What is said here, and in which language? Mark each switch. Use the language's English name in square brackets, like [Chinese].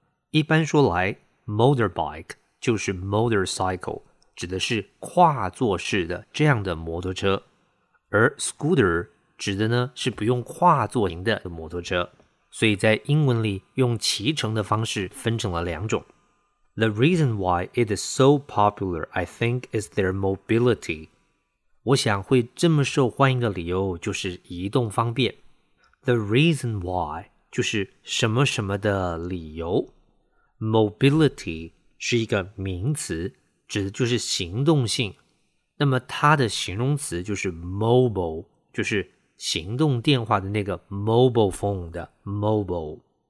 [Chinese] 一般说来 ,motorbike 就是 motorcycle, 指的是跨座式的这样的摩托车。而 scooter 指的呢是不用跨座型的摩托车。所以在英文里用骑乘的方式分成了两种。 [English] The reason why it is so popular, I think, is their mobility. [Chinese] 我想会这么受欢迎的理由就是移动方便。 The reason why 就是什么什么的理由。 Mobility 是一个名词，指的就是行动性。那么它的形容词就是 mobile, 就是行动电话的那个 mobile phone 的 mobile。